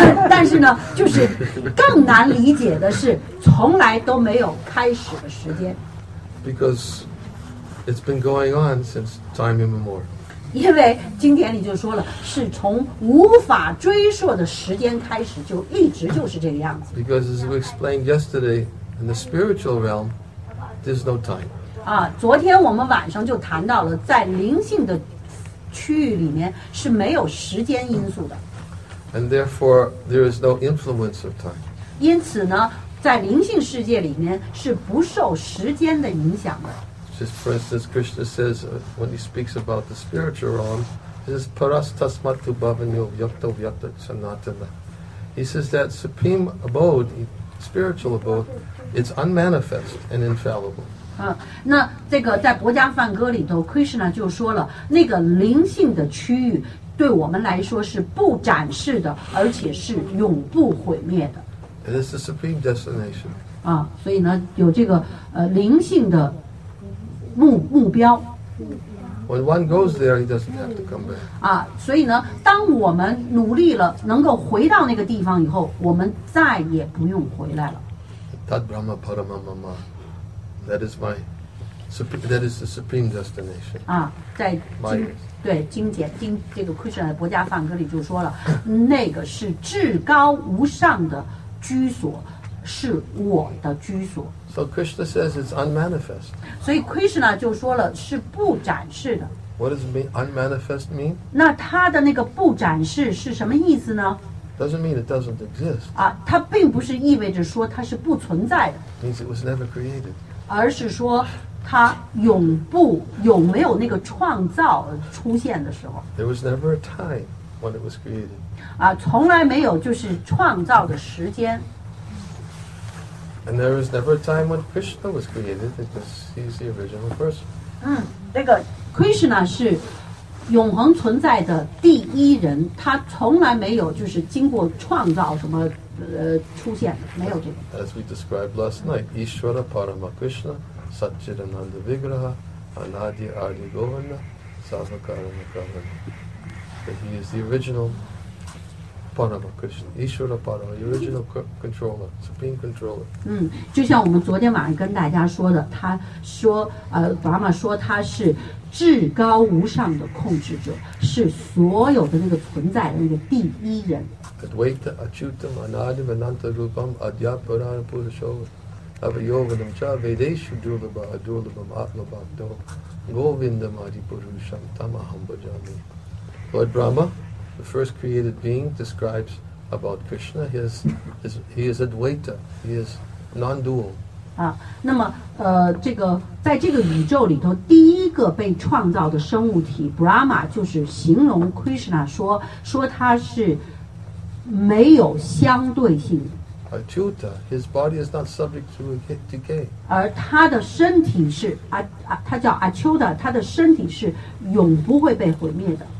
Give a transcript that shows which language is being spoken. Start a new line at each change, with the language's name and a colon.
Chinese: 但是呢，就是更难理解的是，从来都没有开始的时间。
English: Because it's been going on since time immemorial.
Chinese: 因为经典里就说了，是从无法追溯的时间开始，就一直就是这个样子。
English: Because as we explained yesterday, in the spiritual realm, there's no time.
Chinese: 昨天我们晚上就谈到了，在灵性的区域里面是没有时间因素的。
English: And therefore, there is no influence of time.
Chinese: 因此呢，在灵性世界里面是不受时间的影响的。
English: Just for instance, Krishna says, when he speaks about the spiritual realm, this is
Sanskrit: parastasmatu bhavanyo vyakta vyakta sanatana.
English: He says that supreme abode, spiritual abode, it's unmanifest and infallible.
Chinese: 那这个在《薄伽梵歌》里头 ，Krishna 就说了，那个灵性的区域。对我们来说是不展示的，而且是永不毁灭的。
English: It is the supreme destination.
Chinese: 所以呢，有这个灵性的目标。
English: When one goes there, he doesn't have to come back.
Chinese: 所以呢，当我们努力了，能够回到那个地方以后，我们再也不用回来了。
Sanskrit: Tad Brahma Paramamama,
English: that is the supreme destination.
Chinese: 在经。对经典经这个 Krishna 的薄伽梵歌里就说了，那个是至高无上的居所，是我的居所。
English: So Krishna says it's unmanifest.
Chinese: 所以 Krishna 就说了是不展示的。
English: What does unmanifest mean?
Chinese: 那他的那个不展示是什么意思呢？
English: Doesn't mean it doesn't exist.
Chinese: 它并不是意味着说它是不存在的。
English: Means it was never created.
Chinese: 而是说。它永不有没有那个创造出现的时候
English: ？There was never a time when it was created.
Chinese: 从来没有就是创造的时间。
English: And there was never a time when Krishna was created because he's the original person.
Chinese: 那个 Krishna 是永恒存在的第一人，他从来没有就是经过创造什么出现的，没有这个。
English: As we described last night,
Sanskrit: Ishvara Parama Krishna. Satchidananda Vigraha Anadi Adi Govinda Savakarana Kavana.
English: That he is the original Parama Krishna, Ishvara Parama, the original controller, supreme controller.
Chinese: 就像我们昨天晚上跟大家说的，他说，Brahma 说他是至高无上的控制者，是所有的那个存在的那个第一人。
Sanskrit: Advaita Achyutam Anadi Vananta Rupam Adya Parana Purushova.Avayovanam cha vedeshu durlabha durlabham atmabhakto Govindam Adipurusham Tamaham Bhajami.
English: Lord Brahma, the first created being, describes about Krishna. He is Advaita. He is non-dual.
Chinese: 那么在这个宇宙里头第一个被创造的生物体 Brahma 就是形容 Krishna 说他是没有相对性
English: Achyuta, his body is not subject to decay.
Chinese: 而他的身体是 他叫 Achyuta, 他的身体是永不会被毁灭的